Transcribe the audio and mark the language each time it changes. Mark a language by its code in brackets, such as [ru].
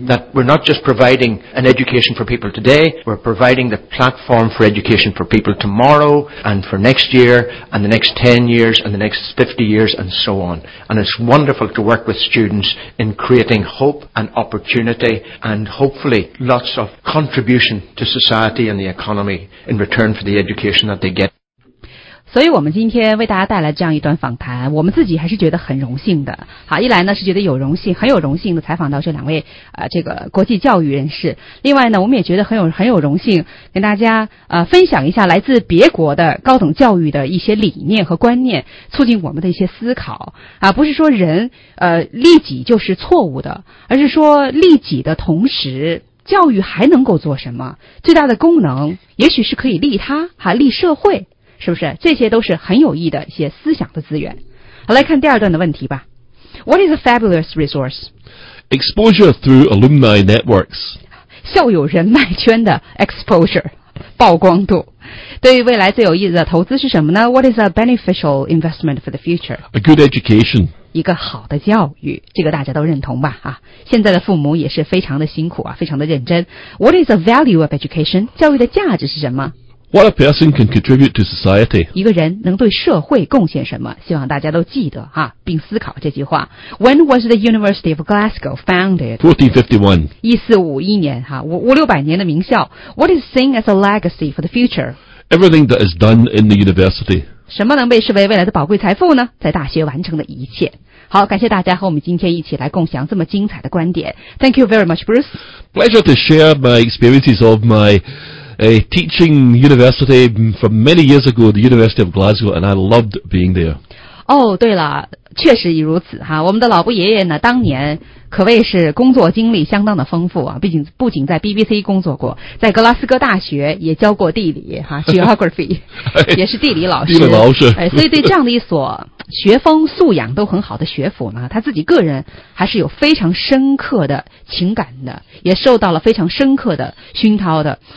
[en] That we're not just providing an education for people today, we're providing the platform for education for people tomorrow and for next year and the next 10 years and the next 50 years and so on. And it's wonderful to work with students in creating hope and opportunity and hopefully lots of contribution to society and the economy. In return for the education that they get. [zh] 所以我们今天为大家带来这样一段访谈，我们自己还是觉得很荣幸的。好，一来呢是觉得有荣幸，很有荣幸的采访到这两位这个国际教育人士。另外呢，我们也觉得很有荣幸跟大家分享一下来自别国的高等教育的一些理念和观念，促进我们的一些思考。不是说人利己就是错误的，而是说利己的同时，教育还能够做什么？最大的功能也许是可以利他，还利社会，是不是？这些都是很有益的一些思想的资源。好，来看第二段的问题吧。 [en] What is a fabulous resource? Exposure through alumni networks. [zh] 校友人脉圈的 exposure, 曝光度。对于未来最有益的投资是什么呢？ [en] What is a beneficial investment for the future? A good education. [zh] 一个好的教育，这个大家都认同吧啊，现在的父母也是非常的辛苦啊，非常的认真。 [en] What is the value of education? [zh] 教育的价值是什么？ [en] What a person can contribute to society? [zh] 一个人能对社会贡献什么？希望大家都记得啊，并思考这句话。 [en] When was the University of Glasgow founded? 1451 [zh] 1451年啊，500-600年的名校。 [en] What is seen as a legacy for the future? Everything that is done in the university. [zh] 什么能被视为未来的宝贵财富呢？在大学完成的一切。好，感谢大家和我们今天一起来共享这么精彩的观点。 [en] Thank you very much, Bruce. Pleasure to share my experiences of my teaching university from many years ago, the University of Glasgow, and I loved being there. [zh] 哦，对了，确实如此哈。我们的老布爷爷呢，当年可谓是工作经历相当的丰富啊，不仅在 BBC 工作过，在格拉斯哥大学也教过地理哈 ，geography 也是地理老师。地理老师，哎，所以对这样的一所学风素养都很好的学府呢，他自己个人还是有非常深刻的情感的，也受到了非常深刻的熏陶的。